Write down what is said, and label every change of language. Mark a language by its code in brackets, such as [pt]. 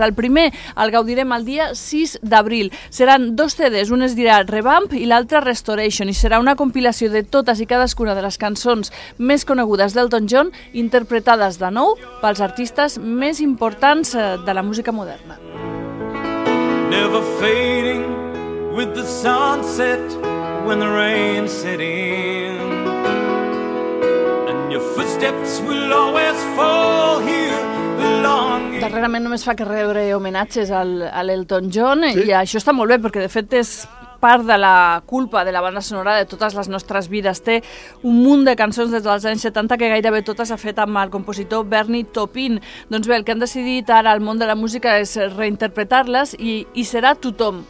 [ca] El primer el gaudirem el dia 6 d'abril. Seran dos CDs, un es dirà Revamp i l'altre Restoration, i serà una compilació de totes i cadascuna de les cançons més conegudes d'Elton John, interpretades de nou pels artistes més importants de la música moderna. [en] Never fading with the sunset when the rain set in, and your footsteps will always fall here. [ca] Darrerament només fa que rebre homenatges a l'Elton John, sí. I això està molt bé, perquè de fet és part de la culpa de la banda sonora de totes les nostres vides. Té un munt de cançons des dels anys 70 que gairebé totes ha fet amb el compositor Bernie Taupin. Doncs bé, el que han decidit ara al món de la música és reinterpretar-les i serà tothom.